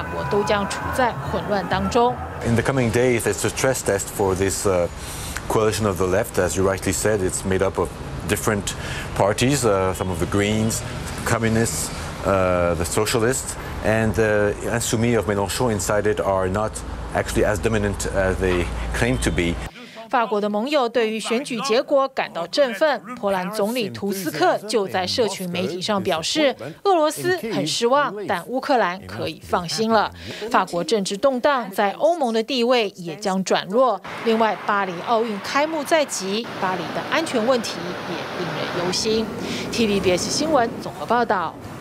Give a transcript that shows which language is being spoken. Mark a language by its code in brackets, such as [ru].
[zh] 法国国会三党不过半，政府将陷入僵局。马克宏失去国会控制权后，确定跛脚。接下来，他得任命下一任总理，并组成新政府。三党显然也没有合作的意愿。未来几周和几个月，法国都将处在混乱当中。 [en] In the coming days, it's a stress test for this coalition of the left, as you rightly said. It's made up of different parties, some of the Greens, Communists, the Socialists, and the Insoumis of Mélenchon inside it are not actually as dominant as they claim to be. [zh] 法国的盟友对于选举结果感到振奋，波兰总理图斯克就在社群媒体上表示，俄罗斯很失望，但乌克兰可以放心了。法国政治动荡在欧盟的地位也将转弱。另外，巴黎奥运开幕在即，巴黎的安全问题也令人忧心。TVBS 新闻综合报道。